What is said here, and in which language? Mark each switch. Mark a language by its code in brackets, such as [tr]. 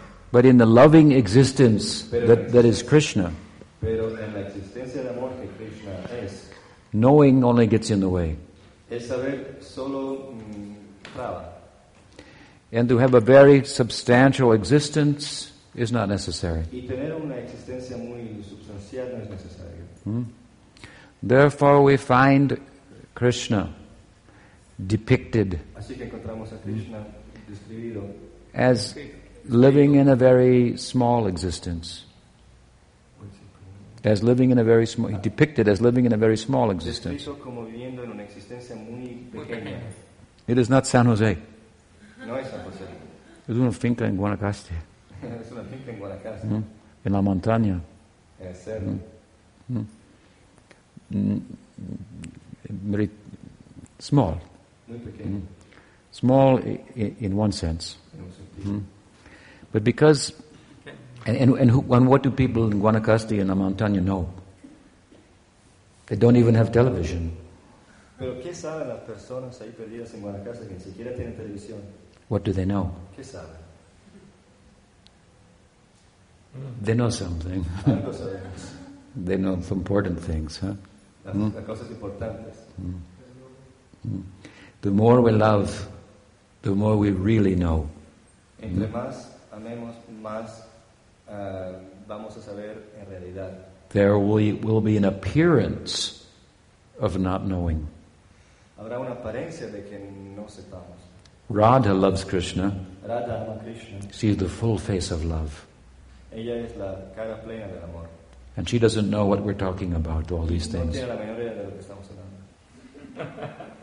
[en] But in the loving existence that is Krishna, [es] pero en la existencia de amor que Krishna es, [en] knowing only gets in the way. [es] El saber solo traba. [en] And to have a very substantial existence is not necessary. [es] Y tener una existencia muy substancial no es necesario. [en] Hmm? Therefore we find Krishna depicted. [es] Así que encontramos a Krishna describido [en] as living in a very small existence. As living in a very small, he depicted as living in a very small existence. [es] Como viviendo en una existencia muy pequeña. [en] It is not San Jose. [es] No es San Jose. Es una finca en Guanacaste. Es una finca en Guanacaste. Mm. En la montaña. En el cerro. [en] Very small. [es] Muy pequeño. Mm. [en] Small in one sense. [es] En un sentido. Mm. [en] But because. And what do people in Guanacaste and the montaña know? They don't even have television. [es] Pero ¿qué saben las personas ahí perdidas en Guanacaste que ni siquiera tienen televisión? [en] What do they know? [es] ¿Qué saben? [en] They know something. [es] Algo sabemos. [en] They know some important things, huh? [es] Las cosas importantes. Mm. Mm. [en] The more we love, the more we really know. [es] Entre más amemos, más vamos a saber en realidad. [en] There will be an appearance of not knowing. [es] Habrá una apariencia de que no sepamos. [en] Radha loves Krishna. [es] Radha ama Krishna. [en] She is the full face of love. [es] Ella es la cara plena del amor. [en] And she doesn't know what we're talking about, all these things. [es] No tiene la menor idea de lo que estamos hablando.